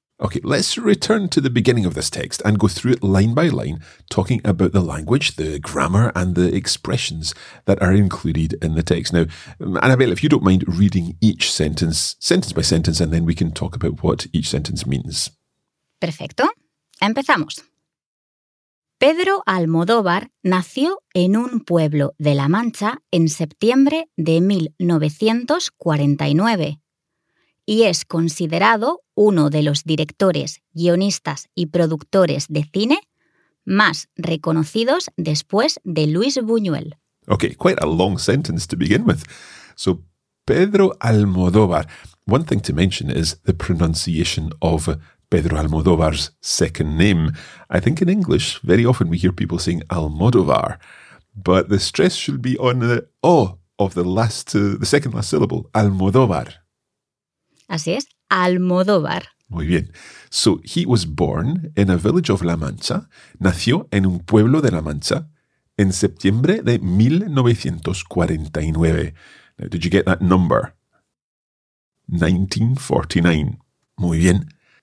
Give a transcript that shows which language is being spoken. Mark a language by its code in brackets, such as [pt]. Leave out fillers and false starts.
[en] Okay, let's return to the beginning of this text and go through it line by line, talking about the language, the grammar, and the expressions that are included in the text. Now, Annabelle, if you don't mind reading each sentence by sentence, and then we can talk about what each sentence means. [es] Perfecto. Empezamos. Pedro Almodóvar nació en un pueblo de La Mancha en septiembre de 1949 y es considerado uno de los directores, guionistas y productores de cine más reconocidos después de Luis Buñuel. [en] Okay, quite a long sentence to begin with. So, Pedro Almodóvar. One thing to mention is the pronunciation of Pedro Almodóvar's second name. I think in English, very often we hear people saying Almodóvar, but the stress should be on the O of the second last syllable, Almodóvar. [es] Así es, Almodóvar. Muy bien. [en] So he was born in a village of La Mancha, [es] nació en un pueblo de La Mancha, en septiembre de 1949. [en] Now, did you get that number? 1949. [es] Muy bien.